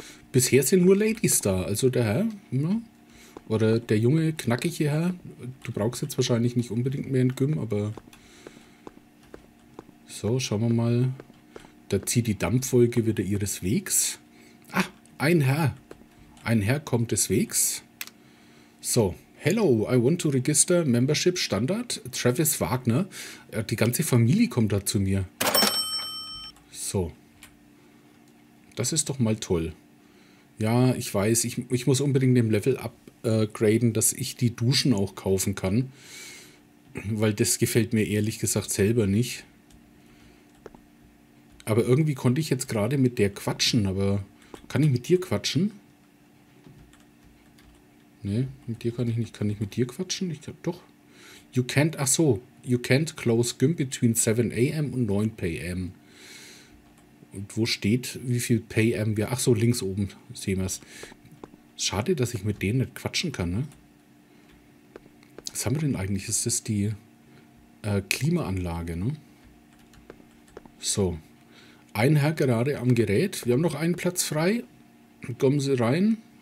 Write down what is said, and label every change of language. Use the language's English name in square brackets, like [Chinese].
[German] Bisher sind nur Ladies da. Also der Herr. Ne? Oder der junge, knackige Herr. Du brauchst jetzt wahrscheinlich nicht unbedingt mehr ein Gym, aber... So, schauen wir mal. Da zieht die Dampfwolke wieder ihres Wegs. Ah, ein Herr. Ein Herr kommt des Wegs. So, [English] Hello, I want to register membership Standard, Travis Wagner. [German] Die ganze Familie kommt da zu mir. So. Das ist doch mal toll. Ja, ich weiß, ich muss unbedingt dem Level upgraden, dass ich die Duschen auch kaufen kann. Weil das gefällt mir ehrlich gesagt selber nicht. Aber irgendwie konnte ich jetzt gerade mit der quatschen, aber kann ich mit dir quatschen? Ne, mit dir kann ich nicht. Kann ich mit dir quatschen? Ich glaube doch. [English] You can't close gym between 7 a.m. [German] und 9 p.m. Und wo steht, wie viel p.m. wir. Ach so, links oben sehen wir es. Schade, dass ich mit denen nicht quatschen kann, ne? Was haben wir denn eigentlich? Ist das die Klimaanlage, ne? So. Ein Herr gerade am Gerät. Wir haben noch einen Platz frei. Kommen Sie rein.